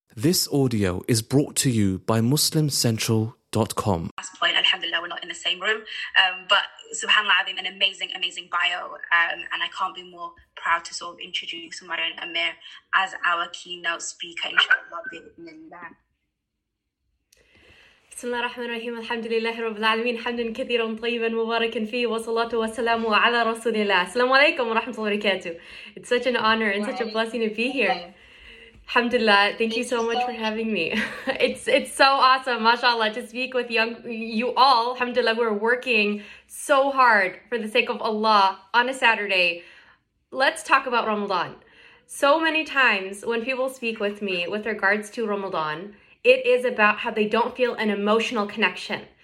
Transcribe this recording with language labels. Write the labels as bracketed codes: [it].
[en] This audio is brought to you by MuslimCentral.com. Last point, alhamdulillah, we're not in the same room. But subhanAllah, I've been an amazing, amazing bio. And I can't be more proud to sort of introduce Umar and Amir as our keynote speaker, inshallah, bi'idhnillah. [ar] بسم الله الرحمن الرحيم الحمد لله رب العالمين حمدا كثيرا طيبا مباركا فيه والصلاة والسلام على رسول الله السلام عليكم ورحمة الله وبركاته. [en] It's such an honor and such a blessing to be here. Alhamdulillah, thank you so much for having me. It's so awesome, mashallah, to speak with you all. Alhamdulillah, we're working so hard for the sake of Allah on a Saturday. Let's talk about Ramadan. So many times when people speak with me with regards to Ramadan, it is about how they don't feel an emotional connection.